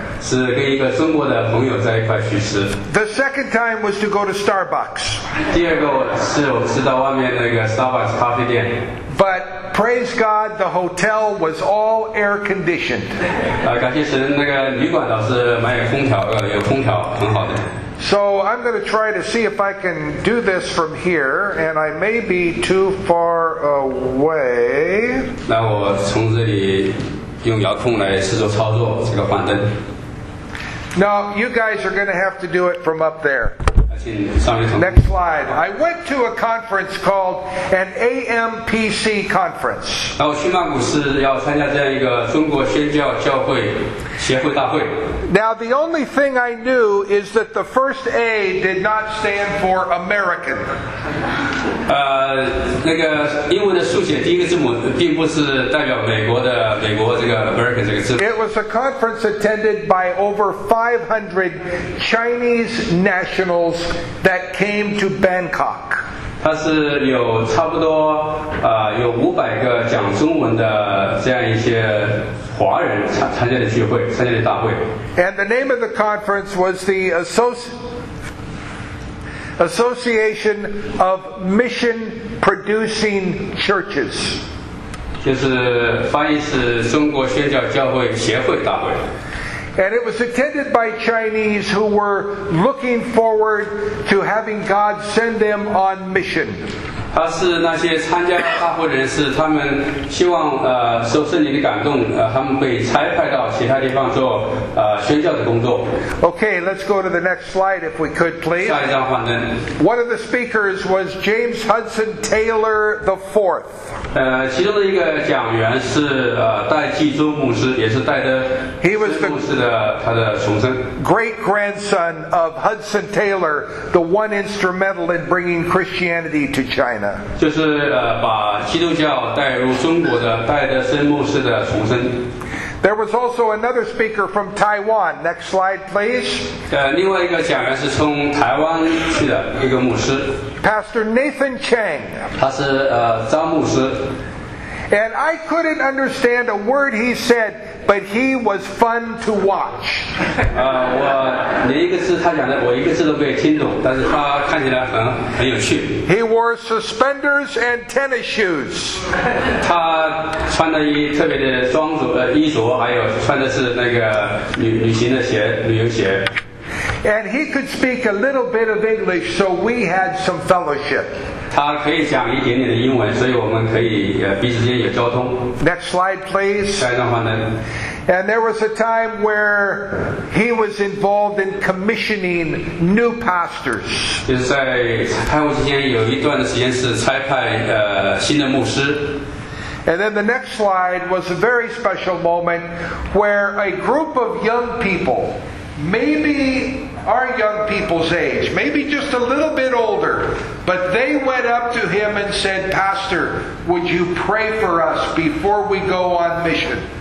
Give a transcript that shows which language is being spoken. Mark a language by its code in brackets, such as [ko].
[zh] 是跟一个中国的朋友在一块去吃。 [en] The second time was to go to Starbucks. [zh] 第二个是我们吃到外面那个 Starbucks 咖啡店。 [en] But praise God, the hotel was all air conditioned. [zh] 感谢神，那个旅馆倒是蛮有空调，有空调，很好的。 [en] So I'm going to try to see if I can do this from here, and I may be too far away. [zh] 那我从这里用遥控来试着操作这个幻灯。 [en] No, you guys are going to have to do it from up there. Next slide. I went to a conference called an AMPC conference. [zh] 我去曼谷是要参加这样一个中国宣教教会协会大会。 [en] Now the only thing I knew is that the first A did not stand for American. [zh] 那个英文的书写第一个字母并不是代表美国这个 American 这个字。 [en] It was a conference attended by over 500 Chinese nationals that came to Bangkok. [zh] 它是有差不多有五百个讲中文的这样一些。华人参加的聚会，参加的大会。 [en] And the name of the conference was the Association of Mission Producing Churches. [zh] 就是翻译是中国宣教教会协会大会。 [en] And it was attended by Chinese who were looking forward to having God send them on mission. [zh] 他是那些参加大会人士，他们希望受圣灵的感动，他们被差派到其他地方做宣教的工作。 [en] Okay, let's go to the next slide if we could, please. [zh] 下一张幻灯。 [en] One of the speakers was James Hudson Taylor IV. [zh] 其中的一个讲员是戴季中牧师，也是戴德斯牧师的他的重生。 [en] Great grandson of Hudson Taylor, the one instrumental in bringing Christianity to China. [zh] 就是把基督教带入中国的戴德森牧师的重生。 [en] There was also another speaker from Taiwan. Next slide, please. [zh] 另外一个讲员是从台湾去的一个牧师。 [en] Pastor Nathan Chang. [zh] 他是张牧师。 [en] And I couldn't understand a word he said, but he was fun to watch. [zh] 我连一个字他讲的，我一个字都没有听懂，但是他看起来很有趣。 [en] He wore suspenders and tennis shoes. [zh] 他穿的一特别的衣着，还有穿的是那个旅行的鞋，旅游鞋。 [en] And he could speak a little bit of English, so we had some fellowship. [zh] 他可以讲一点点的英文，所以我们可以彼此间有交通。 [en] Next slide, please. [zh] 下一张幻灯。 [en] And there was a time where he was involved in commissioning new pastors. [zh] 就是在派会之间有一段的时间是差派新的牧师。 [en] And then the next slide was a very special moment where a group of young people. Maybe our young people's age, maybe just a little bit older, but they went up to him and said, Pastor, would you pray for us before we go on mission?